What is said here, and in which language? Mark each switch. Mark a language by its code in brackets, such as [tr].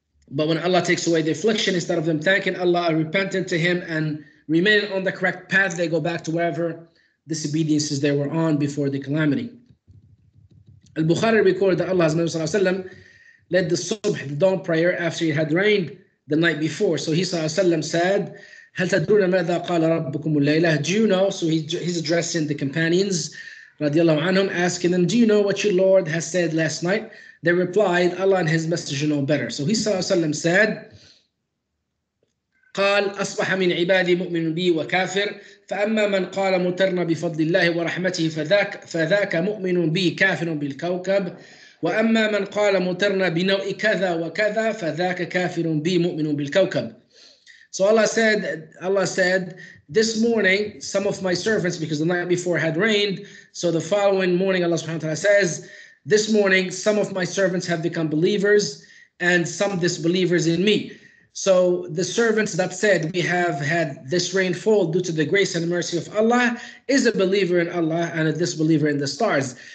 [en] But when Allah takes away the affliction, instead of them thanking Allah, repenting to him and remaining on the correct path, they go back to wherever disobediences they were on before the calamity. Al-Bukhari recorded that Allah led the subh, the dawn prayer, after it had rained the night before. So he said, [ar] هَلْ تَدْرُونَ مَاذَا قَالَ رَبُّكُمُ اللَّيْلَةِ. [en] Do you know? So he's addressing the companions, radiallahu anhum, asking them, do you know what your Lord has said last night? They replied, Allah and His Messenger know better. So he said, [ar] قال أصبح من عبادي مؤمن بي وكافر فأما من قال مترنا بفضل الله ورحمته فذاك مؤمن بي كافر بالكوكب وأما من قال مترنا بنوء كذا وكذا فذاك كافر بي مؤمن بالكوكب. [en] So Allah said, this morning some of my servants, because the night before had rained, so the following morning Allah subhanahu wa ta'ala says, this morning some of my servants have become believers and some disbelievers in me. So the servants that said we have had this rainfall due to the grace and mercy of Allah is a believer in Allah and a disbeliever in the stars.